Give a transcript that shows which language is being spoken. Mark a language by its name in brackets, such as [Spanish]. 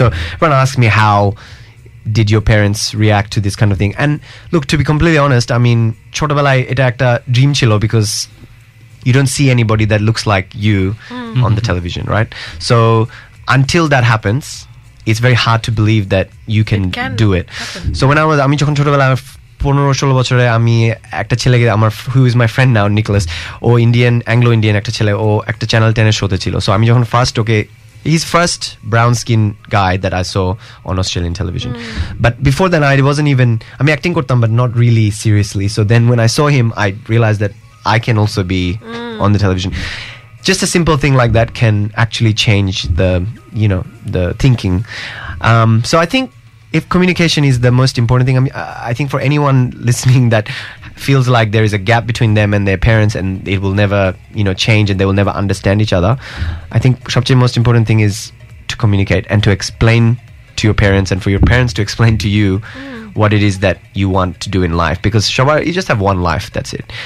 [English] So everyone asked me, how did your parents react to this kind of thing? And look, to be completely honest, I mean, [Bangla] choto belay eta ekta dream chilo [English] because you don't see anybody that looks like you on the television, right? So until that happens, it's very hard to believe that you can do it. Happen. So when I was, [Bangla] যখন ছোটবেলায় 15-16 বছরে আমি একটা ছেলেকে আমার [English] who is my friend now Nicholas, [Bangla] O Indian Anglo Indian একটা ছেলে, ও একটা চ্যানেল 10 এর শোতে ছিল, [English] so আমি যখন first okay is first brown skin guy that I saw on Australian television, but before then I wasn't even, [Bangla] আমি acting করতাম [English] But not really seriously, so then when I saw him I realise that I can also be on the television, just a simple thing like that can actually change the, you know, the thinking. So I think if communication is the most important thing, I think for anyone listening that feels like there is a gap between them and their parents and it will never, you know, change and they will never understand each other, I think the most important thing is to communicate and to explain to your parents and for your parents to explain to you what it is that you want to do in life, because you just have one life, that's it.